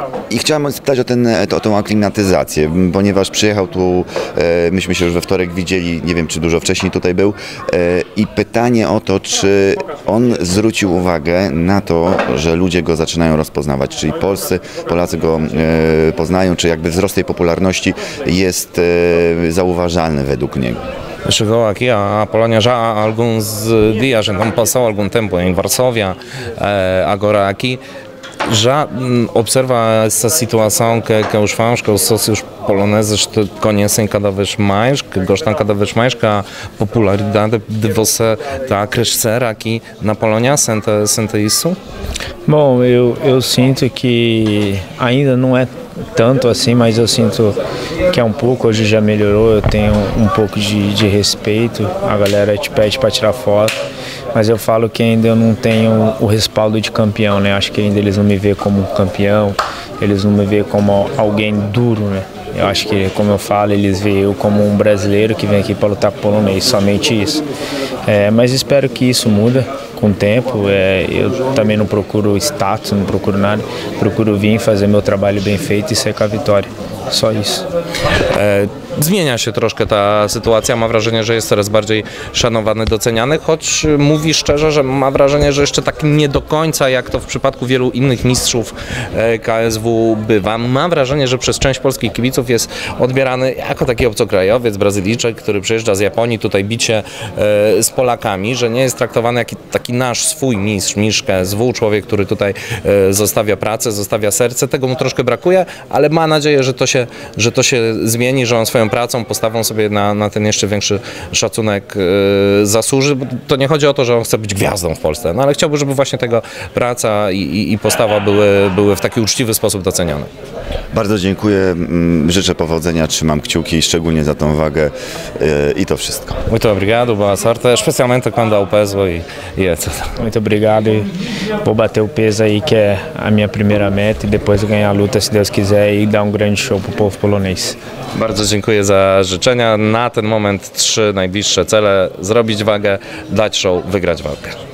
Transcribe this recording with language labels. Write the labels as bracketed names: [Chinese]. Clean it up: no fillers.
[Polish] I chciałem spytać o tą aklimatyzację, ponieważ przyjechał tu, myśmy się już we wtorek widzieli, nie wiem, czy dużo wcześniej tutaj był, i pytanie o to, czy on zwrócił uwagę na to, że ludzie go zaczynają rozpoznawać, czyli Polacy go poznają, czy jakby wzrost tej popularności jest zauważalny według niego. [Portuguese] Przygoł aquí a Polonia ja alguns dias, então passou algum tempo em Varsóvia, agora aqui. Já observa essa situação que os fãs, que os sócios poloneses te conhecem cada vez mais, que gostam cada vez mais, que a popularidade de você está a crescer aqui na Polônia? Sente isso? Bom, eu sinto que ainda não é tanto assim, mas eu sinto que é um pouco, hoje já melhorou, eu tenho um pouco de respeito, a galera te pede para tirar foto, mas eu falo que ainda eu não tenho o respaldo de campeão, né? Acho que ainda eles não me veem como campeão, eles não me veem como alguém duro, né? Eu acho que, como eu falo, eles veem eu como um brasileiro que vem aqui para lutar por polonês, somente isso. Mas espero que isso mude com o tempo. Eu também não procuro status, não procuro nada, procuro vir fazer meu trabalho bem feito e sair com a vitória. Só isso. [Polish] Zmienia się troszkę ta sytuacja, ma wrażenie, że jest coraz bardziej szanowany, doceniany, choć mówi szczerze, że ma wrażenie, że jeszcze tak nie do końca, jak to w przypadku wielu innych mistrzów KSW bywa. Ma wrażenie, że przez część polskich kibiców jest odbierany jako taki obcokrajowiec, Brazylijczyk, który przyjeżdża z Japonii, tutaj bicie z Polakami, że nie jest traktowany jak taki nasz swój mistrz KSW, człowiek, który tutaj zostawia pracę, zostawia serce. Tego mu troszkę brakuje, ale ma nadzieję, że to się zmieni, że on swoją pracą, postawą sobie na ten jeszcze większy szacunek zasłuży. To nie chodzi o to, że on chce być gwiazdą w Polsce, no ale chciałby, żeby właśnie tego praca i postawa były w taki uczciwy sposób docenione. Bardzo dziękuję, życzę powodzenia, trzymam kciuki, szczególnie za tą wagę i to wszystko. [Portuguese] Muito obrigado, boa sorte, especialmente quando ao peso i etc. Muito obrigado, vou bater o peso aí, que é a minha primeira meta, e depois ganhar a luta, se Deus quiser, i dar um grande show pro povo polonês. [Polish] Bardzo dziękuję za życzenia. Na ten moment 3 najbliższe cele. Zrobić wagę, dać show, wygrać walkę.